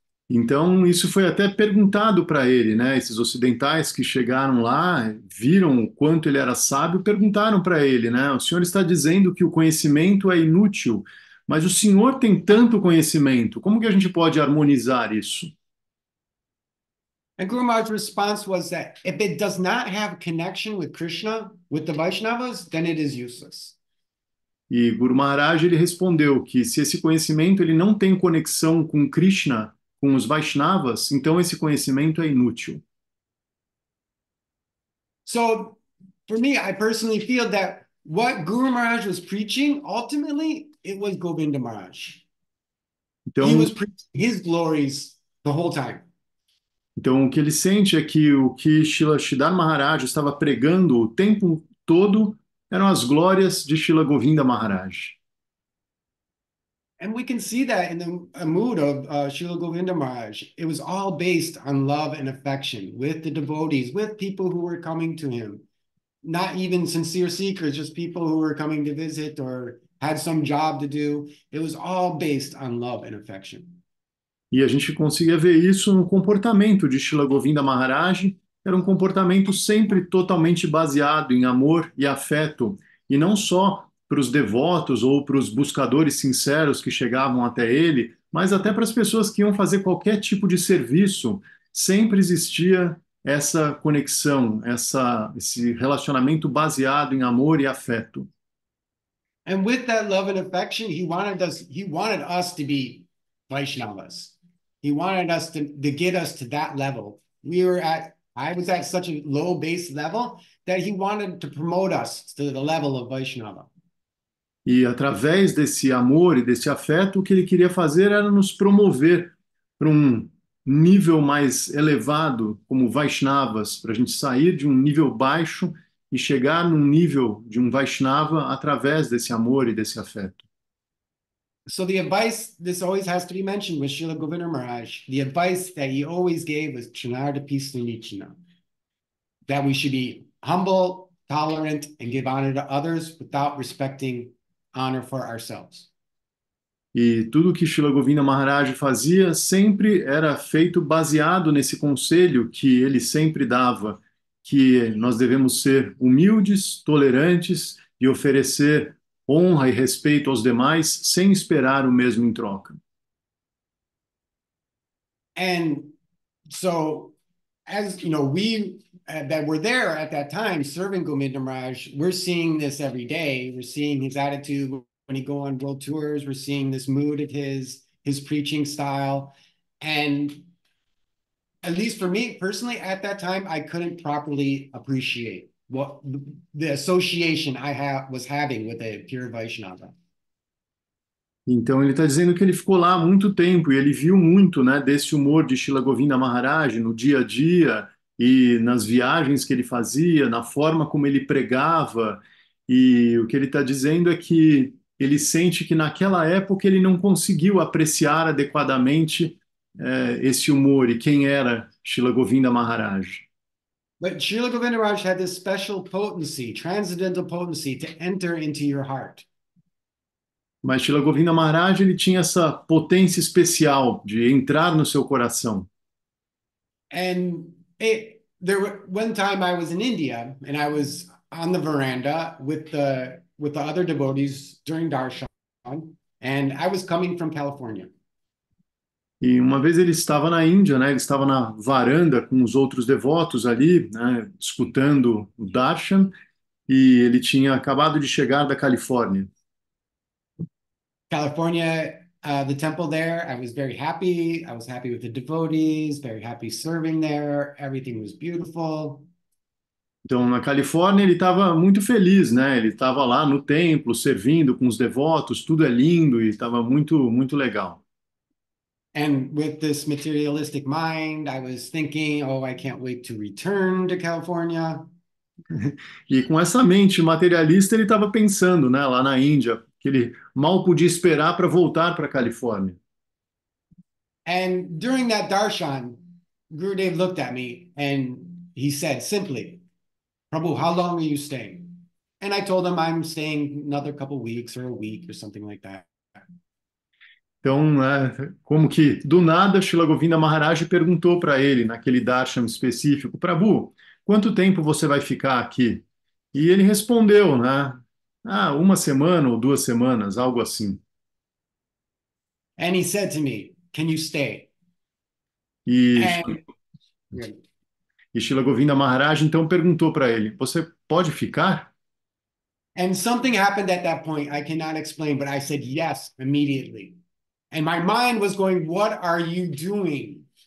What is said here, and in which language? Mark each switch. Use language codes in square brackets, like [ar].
[pt] Então, isso foi até perguntado para ele, né? Esses ocidentais que chegaram lá, viram o quanto ele era sábio, perguntaram para ele, né? O senhor está dizendo que o conhecimento é inútil, mas o senhor tem tanto conhecimento. Como que a gente pode harmonizar isso? [en] And Guru Maharaj's response was that if it does not have connection with Krishna, with the Vaishnavas, then it is useless. [pt] E Guru Maharaj, ele respondeu que se esse conhecimento ele não tem conexão com Krishna, com os Vaishnavas, então esse conhecimento é inútil. [en] So, for me, I personally feel that what Guru Maharaj was preaching, ultimately, it was Govinda Maharaj. [pt] Então, [en] he was preaching his glories the whole time. [pt] Então, o que ele sente é que o que Srila Siddhartha Maharaj estava pregando o tempo todo eram as glórias de Srila Govinda Maharaj. [en] And we can see that in the mood of Srila Govinda Maharaj. It was all based on love and affection with the devotees, with people who were coming to him. Not even sincere seekers, just people who were coming to visit or had some job to do. It was all based on love and affection. [pt] E a gente conseguia ver isso no comportamento de Srila Govinda Maharaj. Era um comportamento sempre totalmente baseado em amor e afeto, e não só para os devotos ou para os buscadores sinceros que chegavam até ele, mas até para as pessoas que iam fazer qualquer tipo de serviço, sempre existia essa conexão, esse relacionamento baseado em amor e afeto. [en] And with that love and affection, he wanted us to be Vaishnavas. He wanted us to get us to that level. I was at such a low base level that he wanted to promote us to the level of Vaishnava. [pt] E através desse amor e desse afeto, o que ele queria fazer era nos promover para um nível mais elevado como Vaishnavas, para a gente sair de um nível baixo e chegar num nível de um Vaishnava através desse amor e desse afeto. [en] So the advice, this always has to be mentioned with Srila Govinda Maharaj, the advice that he always gave was Chanarda Pisanichina, that we should be humble, tolerant, and give honor to others without respecting honor for ourselves. [pt] E tudo que Srila Govinda Maharaj fazia sempre era feito baseado nesse conselho que ele sempre dava, que nós devemos ser humildes, tolerantes e oferecer honra e respeito aos demais, sem esperar o mesmo em troca. [en] And so, as you know, we that were there at that time serving Govinda Maharaj, we're seeing this every day. We're seeing his attitude when he go on world tours. We're seeing this mood of his preaching style. And at least for me personally, at that time, I couldn't properly appreciate what the association I was having with a pure Vaishnava. [pt] Então, ele está dizendo que ele ficou lá muito tempo e ele viu muito, né, desse humor de Srila Govinda Maharaj no dia a dia e nas viagens que ele fazia, na forma como ele pregava. E o que ele está dizendo é que ele sente que naquela época ele não conseguiu apreciar adequadamente esse humor e quem era Srila Govinda Maharaj. [en] But Srila Govinda Maharaj had this special potency, transcendental potency, to enter into your heart. [pt] Mas Srila Govinda Maharaj, ele tinha essa potência especial de entrar no seu coração. [en] And there were one time I was in India and I was on the veranda with the other devotees during darshan, and I was coming from California. [pt] E uma vez ele estava na Índia, né? Ele estava na varanda com os outros devotos ali, né, escutando o darshan, e ele tinha acabado de chegar da Califórnia. [en] California, the temple there, I was very happy. I was happy with the devotees, very happy serving there. Everything was beautiful. [pt] Então, na Califórnia, ele estava muito feliz, né? Ele estava lá no templo, servindo com os devotos, tudo é lindo e estava muito, muito legal. [en] And with this materialistic mind, I was thinking, oh, I can't wait to return to California. [pt] E com essa mente materialista, ele estava pensando, né, lá na Índia, que ele mal podia esperar para voltar para a Califórnia. [en] And during that darshan, Gurudev looked at me and he said simply, Prabhu, how long are you staying? And I told him I'm staying another couple weeks or a week or something like that. [pt] Então, como que do nada Srila Govinda Maharaj perguntou para ele naquele darshan específico, Prabhu, quanto tempo você vai ficar aqui? E ele respondeu, né? Ah, uma semana ou duas semanas, algo assim. [en] And he said to me, can you stay? [pt] E Srila Govinda Maharaj então perguntou para ele, você pode ficar? [en] And something happened at that point, I cannot explain, but I said yes immediately. And my mind was going, what are you doing?